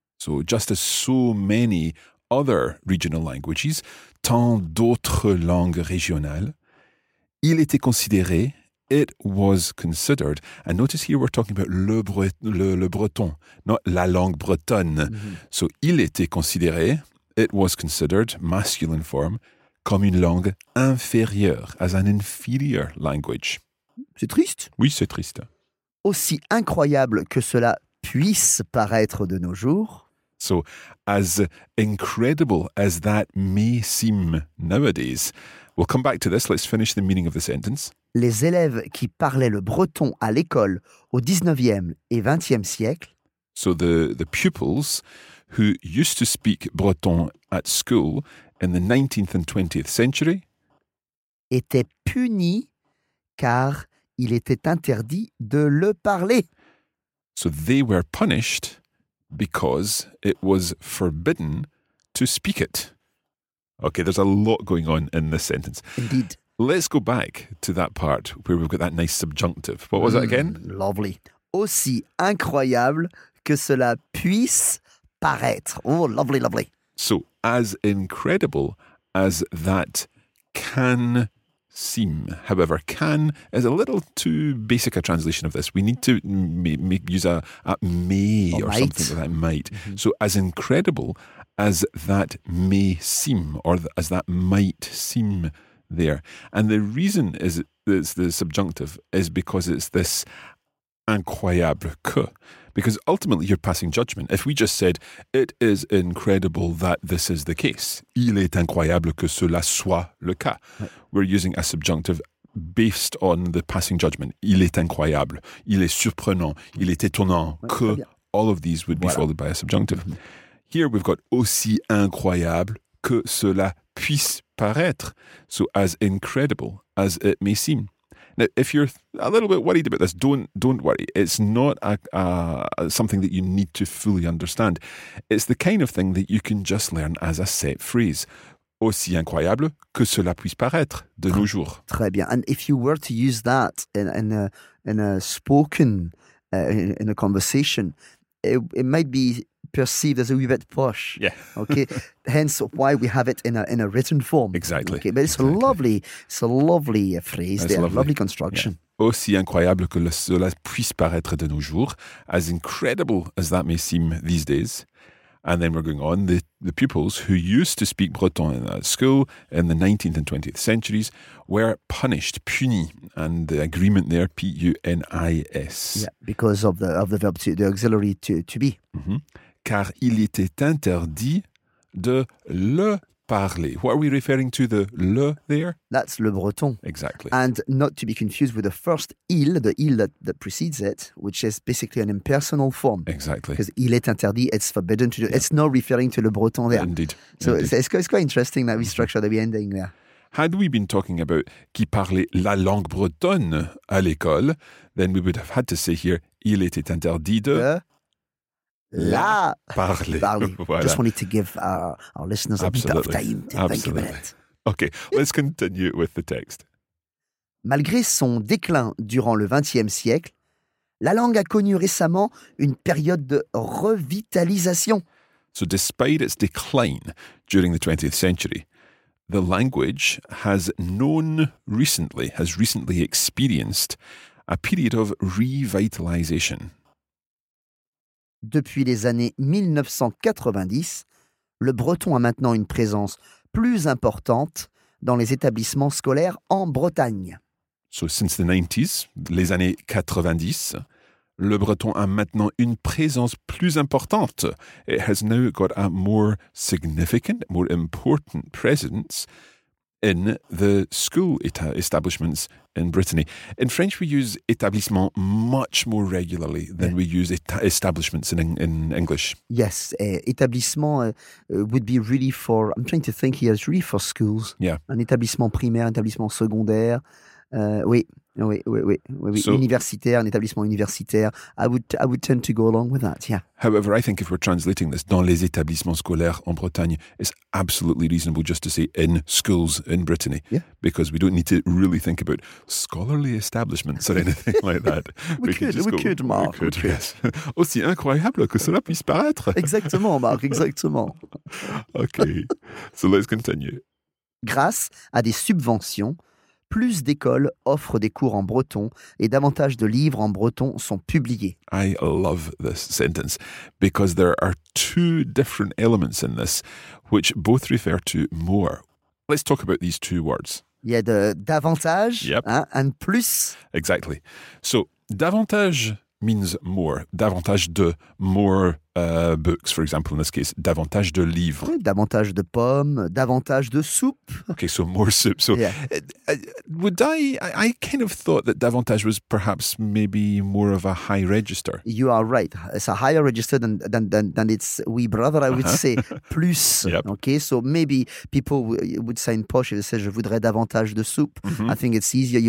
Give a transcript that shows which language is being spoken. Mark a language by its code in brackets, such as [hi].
[en] So just as so many other regional languages, [fr] tant d'autres langues régionales, il était considéré, [en] it was considered, and notice here we're talking about le breton, not [fr] la langue bretonne. [en] Mm-hmm. So [fr] il était considéré, [en] it was considered, masculine form, [fr] comme une langue inférieure, [en] as an inferior language. [fr] C'est triste. Oui, c'est triste. Aussi incroyable que cela puisse paraître de nos jours... [en] So, as incredible as that may seem nowadays, we'll come back to this. Let's finish the meaning of the sentence. [fr] Les élèves qui parlaient le breton à l'école au 19e et 20e siècle. [en] So, the pupils who used to speak breton at school in the 19th and 20th century. [fr] Étaient punis car il était interdit de le parler. [en] So, they were punished. Because it was forbidden to speak it. Okay, there's a lot going on in this sentence. Indeed. Let's go back to that part where we've got that nice subjunctive. What was that again? Lovely. [fr] Aussi incroyable que cela puisse paraître. [en] Oh, lovely, lovely. So, as incredible as that can seem. However, can is a little too basic a translation of this. We need to use a may or might. Something like that, might. Mm-hmm. So as incredible as that may seem or as that might seem there. And the reason is it's the subjunctive is because it's this incroyable que. Because ultimately, you're passing judgment. If we just said, it is incredible that this is the case. [fr] Il est incroyable que cela soit le cas. [en] Right. We're using a subjunctive based on the passing judgment. [fr] Il est incroyable. Il est surprenant. Il est étonnant que. [en] All of these would be followed by a subjunctive. Mm-hmm. Here, we've got [fr] aussi incroyable que cela puisse paraître. [en] So as incredible as it may seem. Now, if you're a little bit worried about this, don't worry. It's not something that you need to fully understand. It's the kind of thing that you can just learn as a set phrase. [fr] Aussi incroyable que cela puisse paraître de nos jours. Très bien. [en] And if you were to use that in a spoken, in a conversation, it might be perceived as a wee bit posh. Yeah. Okay. Hence why we have it in a written form. Exactly. Okay. But it's exactly. It's a lovely phrase. That's there. Lovely construction. [fr] Yeah. Aussi incroyable que cela puisse paraître de nos jours, [en] as incredible as that may seem these days. And then we're going on, the pupils who used to speak Breton in that school in the 19th and 20th centuries were punished, puni, and the agreement there, P-U-N-I-S. Yeah, because of the verb to, the auxiliary to be. Mm-hmm. [fr] Car il était interdit de le parler. [en] What are we referring to, the le there? That's le Breton. Exactly. And not to be confused with the first il, the il that precedes it, which is basically an impersonal form. Exactly. Because [fr] il est interdit, [en] it's forbidden to do. Yeah. It's not referring to le Breton there. Indeed. So indeed. It's quite interesting that we structure the ending there. Had we been talking about [fr] qui parlait la langue bretonne à l'école, [en] then we would have had to say here, [fr] il était interdit de... La parler. Voilà. [en] Just wanted to give our listeners Absolutely. A bit of time to Absolutely. Think about it. Okay, let's continue with the text. [fr] Malgré son déclin durant le XXe siècle, la langue a connu récemment une période de revitalisation. [en] So despite its decline during the 20th century, the language has recently experienced a period of revitalization. [fr] Depuis les années 1990, le breton a maintenant une présence plus importante dans les établissements scolaires en Bretagne. [en] So since the 90s, [fr] les années 90, le breton a maintenant une présence plus importante. [en] It has now got a more significant, more important presence in the school establishments in Brittany. In French, we use établissement much more regularly than we use establishments in English. Yes, établissement would be really for, I'm trying to think here, it's really for schools. Yeah. [fr] Un établissement primaire, un établissement secondaire. Oui. So, universitaire, un établissement universitaire. [en] I would tend to go along with that, yeah. However, I think if we're translating this, [fr] dans les établissements scolaires en Bretagne, [en] it's absolutely reasonable just to say in schools in Brittany. Yeah. Because we don't need to really think about scholarly establishments or anything like that. We could, Mark. We could, yes. [fr] Aussi incroyable que cela puisse paraître. Exactement, Mark, exactement. [en] Okay, so let's continue. [fr] Grâce à des subventions, plus d'écoles offrent des cours en breton et davantage de livres en breton sont publiés. [en] I love this sentence because there are two different elements in this which both refer to more. Let's talk about these two words. [fr] Il y a davantage, [en] yep. Hein, and plus. Exactly. So, davantage means more. Davantage de more books, for example, in this case. [fr] Davantage de livres. Oui, davantage de pommes, davantage de soupe. [en] Okay, so more soup. So, yeah. I kind of thought that davantage was perhaps maybe more of a high register. You are right. It's a higher register than its wee brother, I would say. [fr] Plus. [en] Yep. Okay, so maybe people would say in posh, if they say, [fr] je voudrais davantage de soupe. [en] Mm-hmm. I think it's easier.